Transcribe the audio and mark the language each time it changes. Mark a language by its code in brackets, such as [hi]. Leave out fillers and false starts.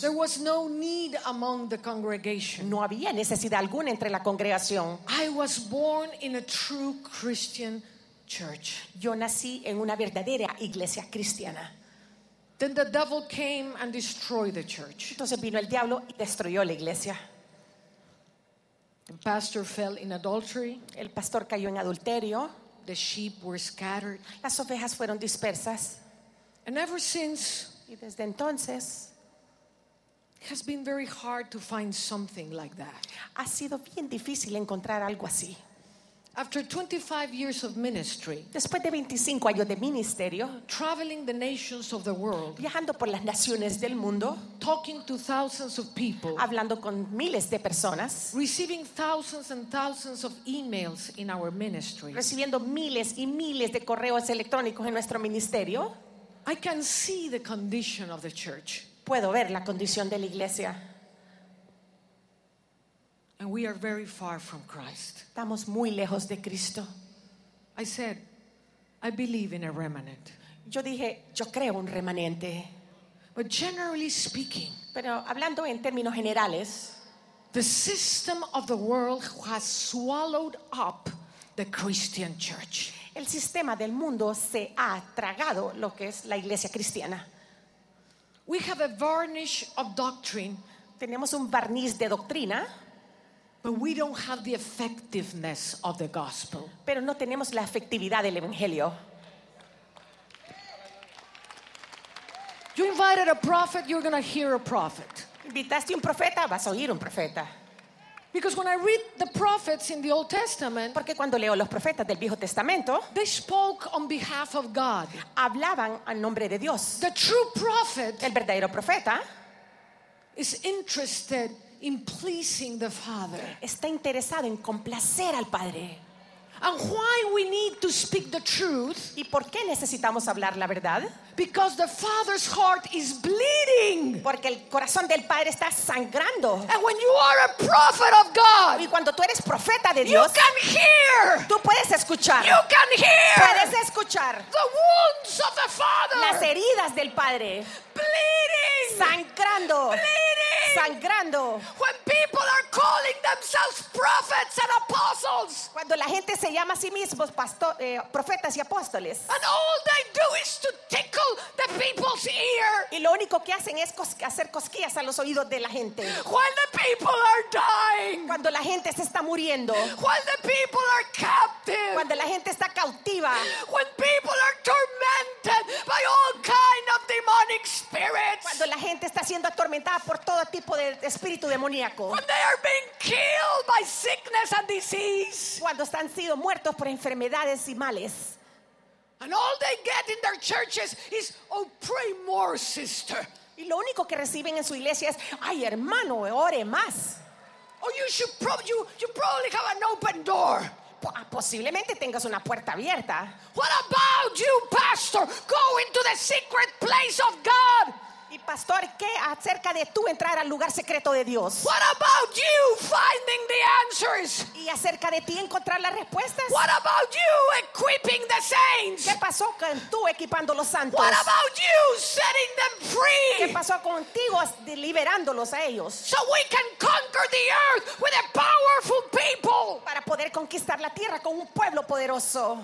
[en] There was no need among the congregation. [es] No había necesidad alguna entre la congregación. [en] I was born in a true Christian church. [es] Yo nací en una verdadera iglesia cristiana. [en] Then the devil came and destroyed the church. [es] Entonces vino el diablo y destruyó la iglesia. [en] The pastor fell in adultery. [es] El pastor cayó en adulterio. [en] The sheep were scattered. [es] Las ovejas fueron dispersas. [en] And ever since, [es] y desde entonces, [en] it has been very hard to find something like that. [es] Ha sido bien difícil encontrar algo así. [en] After 25 years of ministry, [es] después de 25 años de ministerio, [en] traveling the nations of the world, [es] viajando por las naciones del mundo, [en] talking to thousands of people, [es] hablando con miles de personas, [en] receiving thousands and thousands of emails in our ministry, [es] recibiendo miles y miles de correos electrónicos en nuestro ministerio, [en] I can see the condition of the church. [es] Puedo ver la condición de la iglesia. [en] And we are very far from Christ. [es] Estamos muy lejos de Cristo. [en] I said, I believe in a remnant. [es] Yo dije, yo creo un remanente. [en] But generally speaking, [es] pero hablando en términos generales, [en] the system of the world has swallowed up the Christian church. [es] El sistema del mundo se ha tragado lo que es la iglesia cristiana. [en] We have a varnish of doctrine. [es] Tenemos un barniz de doctrina. [en] But we don't have the effectiveness of the gospel. [es] Pero no tenemos la efectividad del evangelio. [en] You invited a prophet, you're going to hear a prophet. [es] Invitaste un profeta, vas a oír un profeta. [en] Because when I read the prophets in the Old Testament, [es] porque cuando leo los profetas del Viejo Testamento, [en] they spoke on behalf of God. [es] Hablaban en nombre de Dios. [en] The true prophet, [es] el verdadero profeta, [en] is interested in pleasing the Father. [es] Está interesado en complacer al Padre. [en] And why we need to speak the truth? [es] ¿Y por qué necesitamos hablar la verdad? [en] Because the Father's heart is bleeding. [es] Porque el corazón del Padre está sangrando. [en] And when you are a prophet of God, [es] y cuando tú eres profeta de Dios, [en] you can hear. [es] Tú puedes escuchar. [en] You can hear. [es] Puedes escuchar. [en] The wounds of the Father. [es] Las heridas del Padre. [en] Bleeding. [es] Sangrando. [en] Bleeding. [es] Sangrando. [en] When people are calling themselves prophets and apostles, [es] cuando la gente se llama a sí mismos profetas y apóstoles, [en] and all they do is to tickle the people's ear, [es] y lo único que hacen es hacer cosquillas a los oídos de la gente, [en] when the people are dying, [es] cuando la gente se está muriendo, [en] when the people are captive, [es] cuando la gente está cautiva, [en] when people are tormented by all kind of demonic spirits, [es] cuando la gente está siendo atormentada por todo tipo de espíritu demoníaco, [en] when they are being killed by sickness and disease, [es] cuando están siendo muertos por enfermedades y males, [en] and all they get in their churches is, oh, pray more, sister, [es] Y lo único que reciben en su iglesia es, ay hermano, ore más. [en] Oh, you probably have an open door. [es] Posiblemente tengas una puerta abierta. [en] What about you, pastor? Go into the secret place of God. [es] Y pastor, ¿qué acerca de tú entrar al lugar secreto de Dios? [en] What about you finding the answers? [es] ¿Y acerca de ti encontrar las respuestas? [en] What about you equipping the saints? [es] ¿Qué pasó con tú equipando los santos? [en] What about you setting them free? [es] ¿Qué pasó contigo liberándolos a ellos? [en] So we can conquer the earth with a powerful people. [es] Para poder conquistar la tierra con un pueblo poderoso.